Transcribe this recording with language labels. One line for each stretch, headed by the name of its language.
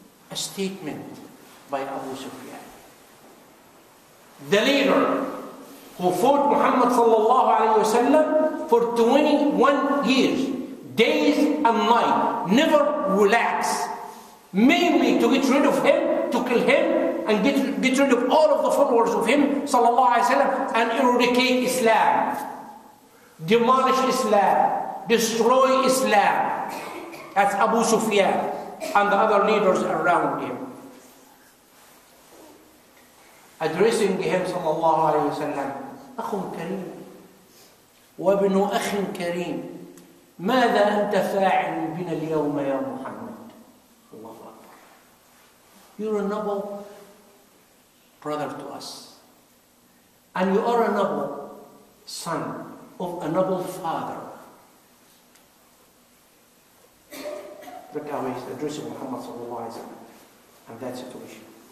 English: a statement by Abu Sufyan, the leader who fought Muhammad sallallahu alaihi wasallam for 21 years, days and night, never relax, mainly to get rid of him, to kill him, and get rid of all of the followers of him, sallallahu alayhi wa sallam, and eradicate Islam. Demolish Islam. Destroy Islam. That's Abu Sufyan and the other leaders around him. Addressing him, sallallahu alayhi wa sallam,
Arabic: أخٌ كريم وابن أخٍ كريم ماذا أنت فاعل بنا اليوم يا محمد؟ الله أكبر.
English: You're a noble brother to us. And you are a noble son of a noble father. Look how he's addressing Muhammad sallallahu alayhi wa sallam and that situation.